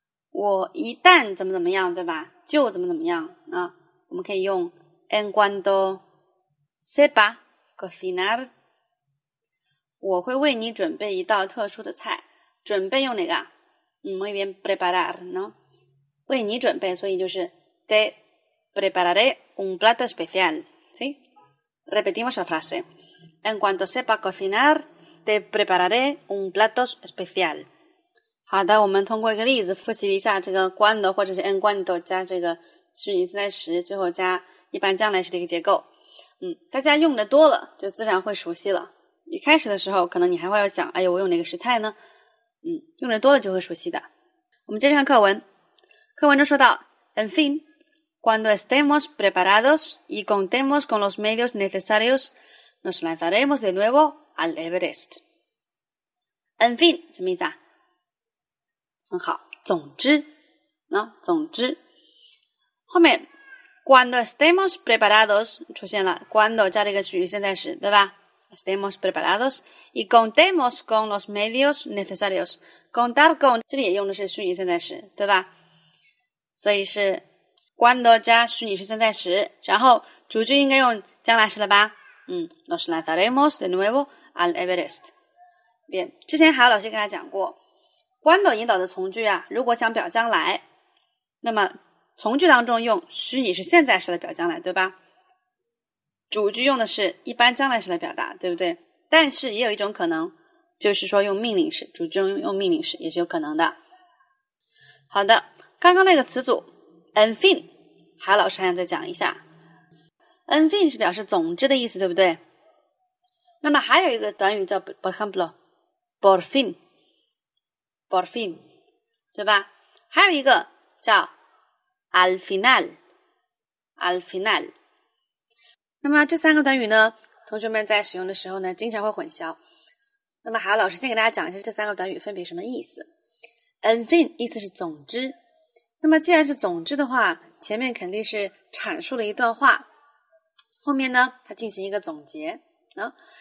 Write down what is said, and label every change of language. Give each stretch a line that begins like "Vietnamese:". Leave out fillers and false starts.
Chinese: 我一旦怎么怎么样，对吧，就怎么怎么样啊。我们可以用
Spanish: en cuanto sepa cocinar，
Chinese: 我会为你准备一道特殊的菜。准备用哪个？
Spanish: muy bien preparar, ¿no?
Chinese: 为你准备，所以就是
Spanish: de prepararé un plato especial. ¿Sí? Repetimos la frase. En cuanto sepa cocinar, te prepararé un plato especial.
Chinese: 好的，我们通过一个例子复习一下这个 cuando 或者是 en cuanto 加这个虚拟现在时，最后加一般将来时的一个结构。嗯，大家用的多了，就自然会熟悉了。一开始的时候，可能你还会要想，哎呦，我用哪个时态呢？嗯，用的多了就会熟悉的。我们接着看课文，课文中说到
Spanish: ，en fin, cuando estemos preparados y contemos con los medios necesarios, nos lanzaremos de nuevo al Everest.
Chinese: En fin, 什么意思啊？很好，总之，啊，总之，后面
Spanish: cuando estemos preparados
Chinese: 出现了 cuando 加这个虚拟现在时，对吧 ？
Spanish: estemos preparados y contemos con los medios necesarios.
Chinese: Contar con 这里也用的是虚拟现在时，对吧？所以是 cuando 加虚拟是现在时，然后主句应该用将来时了吧？
Spanish: 嗯 ，nos lanzaremos de nuevo al Everest. Bien,
Chinese: 之前还有老师跟他讲过。cuando 引导的从句啊，如果想表将来，那么从句当中用虚拟是现在时来表将来，对吧？主句用的是一般将来时来表达，对不对？但是也有一种可能，就是说用命令式，主句用命令式也是有可能的。好的，刚刚那个词组 en fin， 海老师还想再讲一下 ，en fin 是表示总之的意思，对不对？那么还有一个短语叫 por ejemplo， por fin。 por fin， 对吧？还有一个叫 al final， al final。那么这三个短语呢，同学们在使用的时候呢，经常会混淆。那么海老师先给大家讲一下这三个短语分别什么意思。en fin 意思是总之。那么既然是总之的话，前面肯定是阐述了一段话，后面呢它进行一个总结啊。